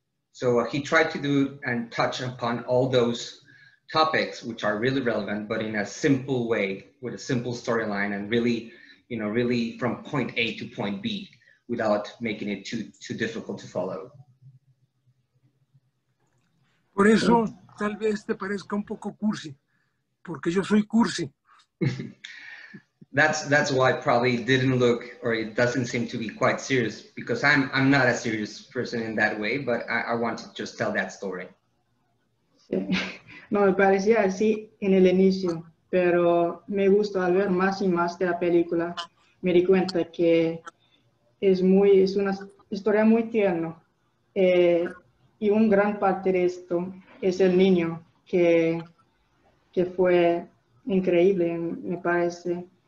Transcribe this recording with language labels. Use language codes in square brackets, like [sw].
[en] So he tried to do and touch upon all those topics, which are really relevant, but in a simple way, with a simple storyline, and really, you know, really from point A to point B, without making it too difficult to follow. [es] Por eso, tal vez te parezca un poco cursi, porque yo soy cursi. [en] That's why it probably didn't look, or it doesn't seem to be quite serious, because I'm not a serious person in that way, but I want to just tell that story. [es] Sí. No, me parecía así en el inicio, pero me gustó al ver más y más de la película. Me di cuenta que es una historia muy tierna. Y un gran parte de esto es el niño, que fue increíble, me parece.